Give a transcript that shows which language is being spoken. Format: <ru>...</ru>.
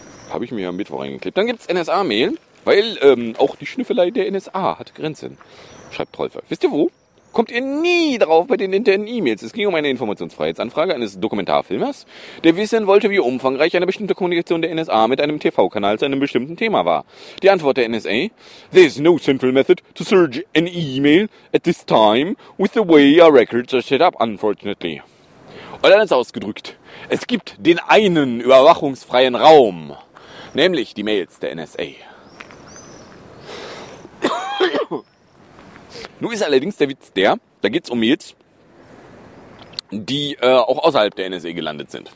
<de>Habe ich mir am Mittwoch eingeklebt. Dann gibt es NSA-Mail, weil auch die Schnüffelei der NSA hat Grenzen, schreibt Trollfer. Wisst ihr wo? Kommt ihr nie drauf bei den internen E-Mails. Es ging um eine Informationsfreiheitsanfrage eines Dokumentarfilmers, der wissen wollte, wie umfangreich eine bestimmte Kommunikation der NSA mit einem TV-Kanal zu einem bestimmten Thema war. Die Antwort der NSA:</de> <en>There is no central method to search an E-Mail at this time with the way our records are set up, unfortunately.</en> <de>Und dann ist ausgedrückt, es gibt den einen überwachungsfreien Raum, nämlich die Mails der NSA. Nun ist allerdings der Witz der, da geht es um Mails, die auch außerhalb der NSA gelandet sind.</de>